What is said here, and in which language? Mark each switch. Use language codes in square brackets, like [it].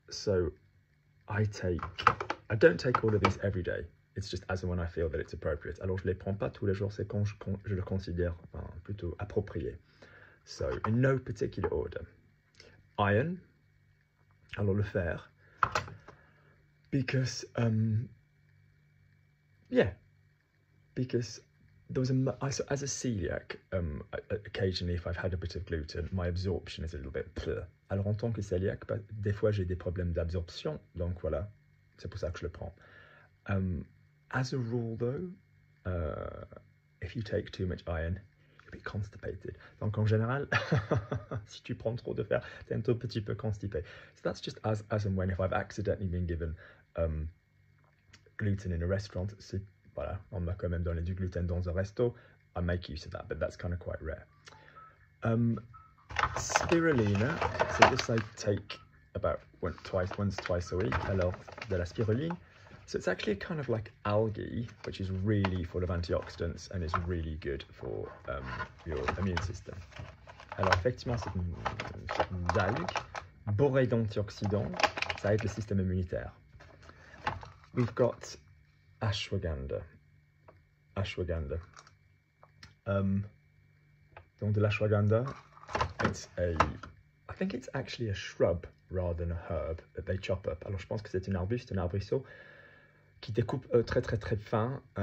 [en] So I don't take all of these every day. It's just as and when I feel that it's appropriate. [fr] Alors je les prends pas tous les jours, c'est quand je le considère plutôt approprié. [en] So in no particular order. Iron, [fr] alors le fer, [en] because so as a celiac, occasionally if I've had a bit of gluten, my absorption is a little bit pleh. [fr] Alors en tant que celiac, des fois j'ai des problèmes d'absorption, donc voilà, c'est pour ça que je le prends. [en] As a rule though, if you take too much iron, you'll be constipated. [fr] Donc en général, si tu prends trop de fer, t'es un tout petit peu constipé. [en] So that's just as and when if I've accidentally been given gluten in a restaurant, [fr] c'est... Voilà, on m'a quand même donné du gluten dans un resto. [en] I make use of that, but that's kind of quite rare. Spirulina. So this I take about once, twice a week. [fr] Alors, de la spiruline. [en] So it's actually a kind of like algae, which is really full of antioxidants and is really good for your immune system. [fr] Alors, effectivement, c'est une algue bourrée d'antioxydants. Ça aide le système immunitaire. [en] We've got... Ashwagandha. [fr] Donc de l'ashwagandha, [en] I think it's actually a shrub rather than a herb that they chop up. [fr] Alors je pense que c'est un arbrisseau qui découpe très très très fin.